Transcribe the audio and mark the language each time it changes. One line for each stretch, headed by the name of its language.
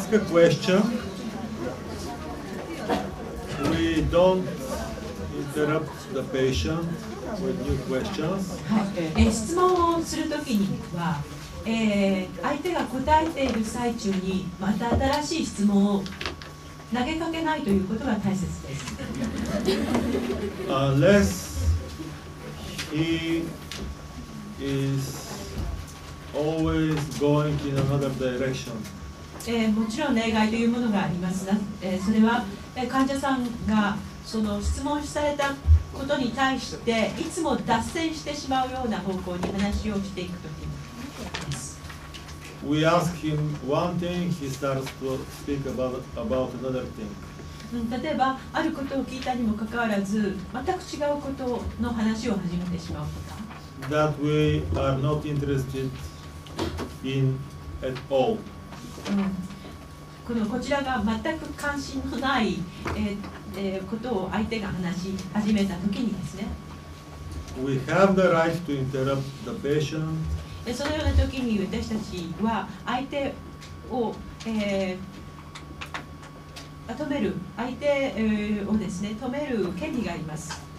English: Question, we don't interrupt the patient with new questions.
Japanese: 質問をするときには、相手が答えている最中にまた新しい質問を投げかけないということが大切です。
English: Unless he is always going in another direction.
Japanese: もちろん例外というものがありますが、それは、患者さんがその質問されたことに対していつも脱線してしまうような方向に話をしていくときです。
English: We ask him one thing, he starts to speak about another thing。
Japanese: 例えばあることを聞いたにもかかわらず全く違うことの話を始めてしまうこと。
English: That we are not interested in at all。
Japanese: このこちらが全く関心のない、ことを相手が話し始めたときにですね。
English: We have the right to interrupt the patient。
Japanese: そのようなときに私たちは相手を、止める、相手をですね、止める権利があります。